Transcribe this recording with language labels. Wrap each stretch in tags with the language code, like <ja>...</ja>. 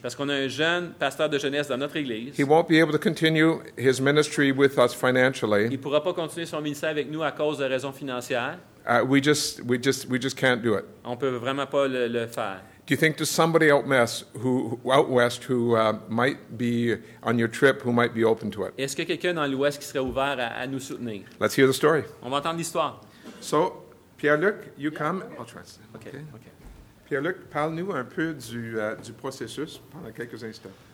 <fr>Parce qu'on a un jeune pasteur de jeunesse dans notre église.</fr> <en>He won't be able to continue his ministry with us financially.</en> <fr>Il pourra pas continuer son ministère avec nous à cause de raisons financières.</fr> <en>We just can't do it.</en> <fr>On peut vraiment pas le faire.</fr> <en>Do you think there's somebody out west who might be on your trip who might be open to it?</en> <fr>Est-ce que quelqu'un dans l'ouest qui serait ouvert à nous soutenir?</fr> <en>Let's hear the story.</en> <fr>On va entendre l'histoire.</fr> <en>So, Pierre-Luc, you come. Okay. I'll translate. Okay.</en> <fr>Pierre-Luc, parle-nous un peu du processus pendant quelques instants.</fr>